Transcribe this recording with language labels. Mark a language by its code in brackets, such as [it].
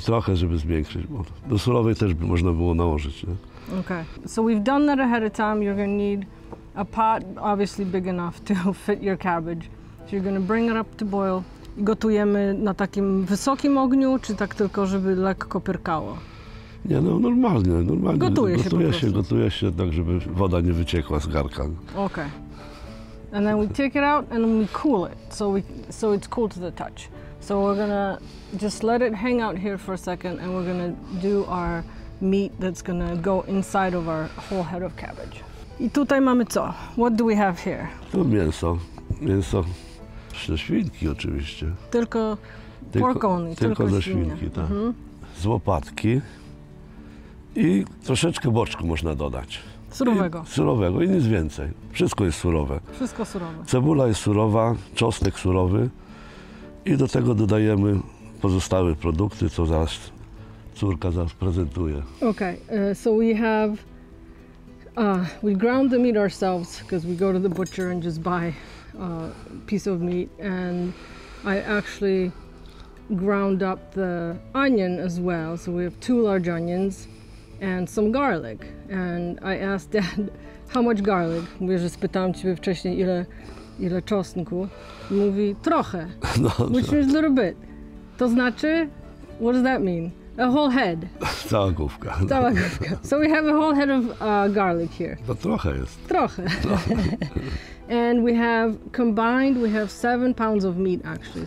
[pl] I trochę, żeby zmiękczyć. Bo do surowej też by można było nałożyć, nie? [en] Okay, so we've done that ahead of time. You're gonna need a pot, obviously big enough to fit your cabbage. So you're gonna bring it up to boil. [pl] Gotujemy na takim wysokim ogniu, czy tak tylko, żeby lekko pyrkało? Nie, no normalnie. Gotuje się tak, żeby woda nie wyciekła z garka. [en] Okay. And then we take it out and we cool it, so it's cool to the touch. So we're gonna just let it hang out here for a second and we're gonna do our meat that's gonna go inside of our whole head of cabbage. [pl] I tutaj mamy co? [en] What do we have here? [pl] To mięso. Mięso ze świnki oczywiście. [en] Tylko pork only. [pl] Tylko ze świnki, tak. Z łopatki. I troszeczkę boczku można dodać. Surowego. Surowego i nic więcej. Wszystko jest surowe. Wszystko surowe. Cebula jest surowa, czosnek surowy. I do tego dodajemy pozostałe produkty, co zaraz córka zaraz prezentuje. [en] Okay, so we have... we ground the meat ourselves, because we go to the butcher and just buy a piece of meat. And I actually ground up the onion as well. So we have two large onions and some garlic. And I asked Dad, how much garlic? [pl] Mówię, że spytałam ciebie wcześniej, ile czosnku. Mówi, trochę, [en] which means a little bit. [pl] To znaczy, [en] what does that mean? A whole head. [pl] Cała główka. Cała główka. [en] So we have a whole head of garlic here. [pl] To trochę jest. Trochę. [en] And we have combined, we have 7 pounds of meat actually.